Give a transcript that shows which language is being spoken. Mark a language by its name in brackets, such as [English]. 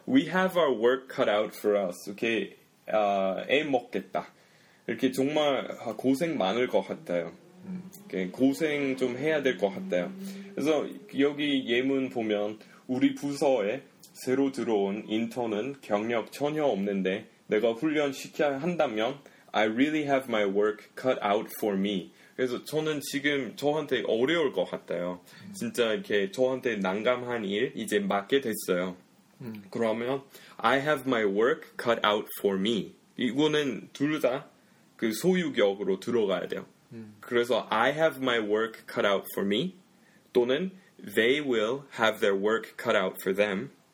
[English] We have our work cut out for us. [Korean] 이렇게 애 먹겠다. 이렇게 정말 고생 많을 것 같아요. 이렇게 고생 좀 해야 될 것 같아요. 그래서 여기 예문 보면 우리 부서에 새로 들어온 인턴은 경력 전혀 없는데 내가 훈련 시켜야 한다면 [English] I really have my work cut out for me. [Korean] 그래서 저는 지금 저한테 어려울 것 같아요. 진짜 이렇게 저한테 난감한 일 이제 맡게 됐어요. [English] 그러면 I have my work cut out for me. [Korean] 이거는 둘 다 그 소유격으로 들어가야 돼요. [English] 그래서 I have my work cut out for me 또는 they will have their work cut out for them.